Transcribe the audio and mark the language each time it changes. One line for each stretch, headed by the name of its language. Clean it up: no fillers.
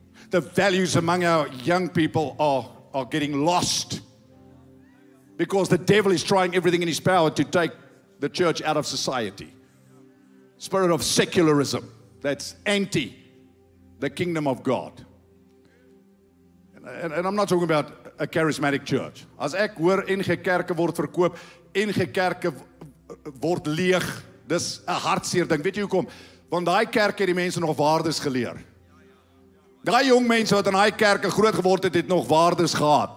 English: The values among our young people are getting lost because the devil is trying everything in his power to take the church out of society. Spirit of secularism that's anti the kingdom of God. And I'm not talking about a charismatic church.
Afrikaans: As ek hoor NG kerke word verkoop, NG kerke word leeg, dis 'n hartseer ding. Weet jy hoekom? Want daai kerk het die mense nog waardes geleer. Daai jong mense wat in daai kerke groot geword het, het nog waardes gehad.